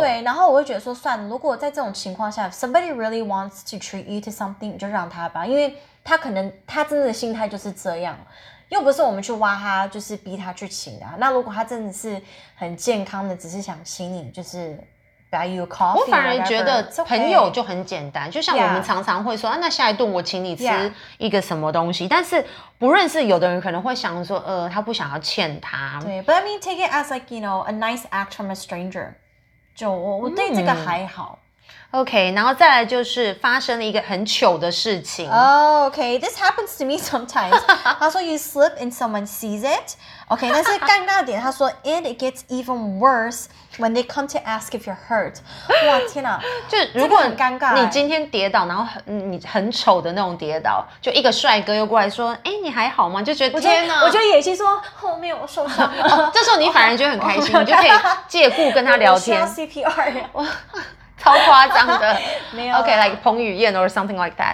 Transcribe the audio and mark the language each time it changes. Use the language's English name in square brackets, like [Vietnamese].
[Chinese] 对，然后我会觉得说，算了，如果在这种情况下 ， [English] somebody really wants to treat you to something， [Chinese] 就让他吧，因为他可能他真的心态就是这样，又不是我们去挖他，就是逼他去请的。那如果他真的是很健康的，只是想请你，就是。 [English] Buy you coffee, [Chinese] 我反而觉得朋友就很简单、 [English] okay. [Chinese] 就像我们常常会说、 [English] yeah. [Chinese] 啊、那下一顿我请你吃一个什么东西、yeah. 但是不认识有的人可能会想说他不想要欠他 [English] 对 But I mean take it as like you know a nice act from a stranger 就 [Chinese] 我对这个还好、 OK 然后再来就是发生了一个很糗的事情、 [English] OK this happens to me sometimes 他说 you slip and someone sees it OK [Chinese] 但是尴尬点他说 [English] and it gets even worseWhen they come to ask if you're hurt, [Chinese] 哇天啊！就如果、这个、很尴尬，你今天跌倒，然后你很丑的那种跌倒，就一个帅哥又过来说，哎，你还好吗？就觉得我就天哪！我就野心说后面我受伤了、哦，这时候你反而就很开心，你就可以借故跟他聊天。我需要 CPR 呀。超夸张的。 [English] OK, like 彭于晏 or something like that.